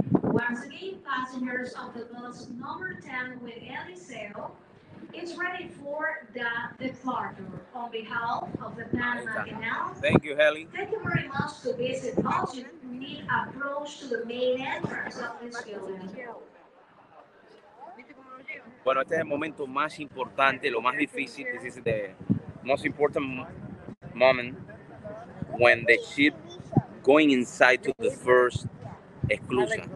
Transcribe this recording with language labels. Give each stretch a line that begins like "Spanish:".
English: Once again, passengers of the bus number 10 with Eliseo, it's ready for the departure. On behalf of the Panama Canal, thank you, Heli. Thank you very much to visit Belgium. We need approach to the main entrance of this building.
Spanish: Bueno, este es el momento más importante, lo más difícil.
English: This is the most important moment when the ship going inside to the first exclusa.